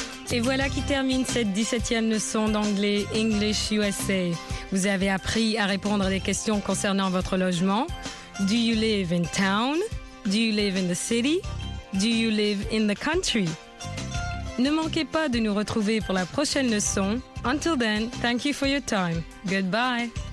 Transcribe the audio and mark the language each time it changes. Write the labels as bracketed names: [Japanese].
[French] Et voilà qui termine cette 17e leçon d'anglais English USA. Vous avez appris à répondre à des questions concernant votre logement. [English] Do you live in town? Do you live in the city? Do you live in the country? [French] Ne manquez pas de nous retrouver pour la prochaine leçon. [English] Until then, thank you for your time. Goodbye.